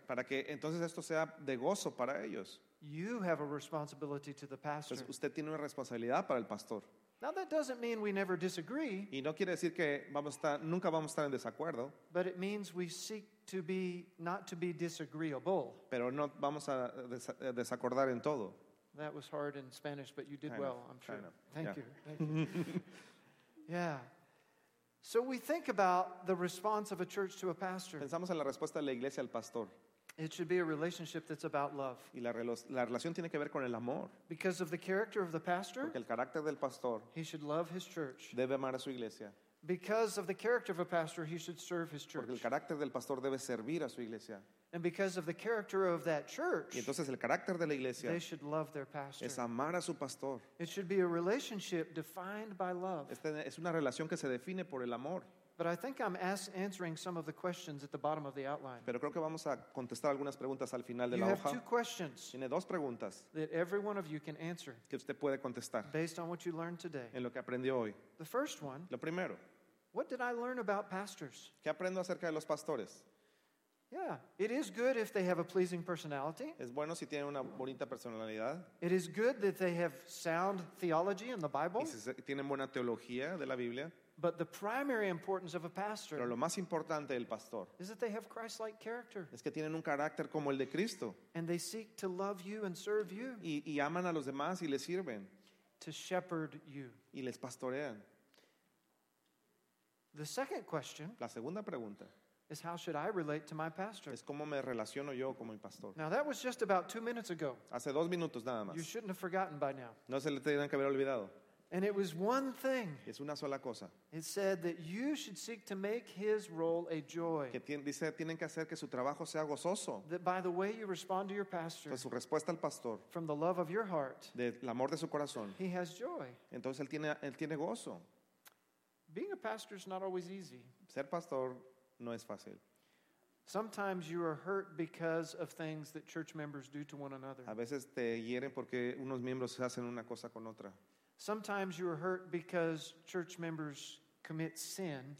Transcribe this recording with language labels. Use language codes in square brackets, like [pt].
[es] Para que entonces esto sea de gozo para ellos. [en] You have a responsibility to the pastor. [es] Pues usted tiene una responsabilidad para el pastor. [en] Now that doesn't mean we never disagree. [es] Y no quiere decir que nunca vamos a estar en desacuerdo. [en] But it means we seek not to be disagreeable. [es] Pero no vamos a desacordar en todo. [en] That was hard in Spanish, but you did well, I'm sure. Kind of. Thank you. Yeah. So we think about the response of a church to a pastor. [es] Pensamos en la respuesta de la iglesia al pastor. [en] It should be a relationship that's about love. [es] Y la relación tiene que ver con el amor. [en] Because of the character of the pastor, [es] porque el carácter del pastor, [en] he should love his church. [es] Debe amar a su iglesia. [en] Because of the character of a pastor, he should serve his church. [es] Porque el carácter del pastor debe servir a su iglesia. [en] And because of the character of that church, [es] y entonces el carácter de la iglesia, [en] they should love their pastor. [es] Es amar a su pastor. [en] It should be a relationship defined by love. [es] Es una relación que se define por el amor. [en] But I think I'm answering some of the questions at the bottom of the outline. [es] Pero creo que vamos a contestar algunas preguntas al final de [en] you [es] la hoja. [en] You have two questions. [es] Tiene dos preguntas. [en] That every one of you can answer. [es] Que usted puede contestar. [en] Based on what you learned today. [es] En lo que aprendió hoy. [en] The first one. [es] Lo primero. [en] What did I learn about pastors? [es] ¿Qué aprendo acerca de los pastores? [en] Yeah, it is good if they have a pleasing personality. [es] Es bueno si tienen una bonita personalidad. [en] It is good that they have sound theology in the Bible. [es] Y si tienen buena teología de la Biblia. [en] But the primary importance of a pastor, [es] pero lo más importante del pastor, [en] is that they have Christ-like character. [es] Es que tienen un carácter como el de Cristo. [en] And they seek to love you and serve you. [es] Y aman a los demás y les sirven. [en] To shepherd you. [es] Y les pastorean. [en] The second question, [es] la segunda pregunta, [en] is how should I relate to my pastor? [es] Es cómo me relaciono yo con mi pastor. [en] Now that was just about 2 minutes ago. [es] Hace 2 minutos nada más. [en] You shouldn't have forgotten by now. [es] No se le tendrían que haber olvidado. [en] And it was one thing. [es] Es una sola cosa. [en] It said that you should seek to make his role a joy. [es] Que dice tienen que hacer que su trabajo sea gozoso. [en] That by the way you respond to your pastor. [es] Entonces, su respuesta al pastor. [en] From the love of your heart. [es] Del amor de su corazón. [en] He has joy. [es] Entonces él tiene gozo. [en] Being a pastor is not always easy. [es] Ser pastor no es fácil. [en] Sometimes you are hurt because of things that church members do to one another. [es] A veces te hieren porque unos miembros hacen una cosa con otra. [en] Sometimes you are hurt because church members commit sin.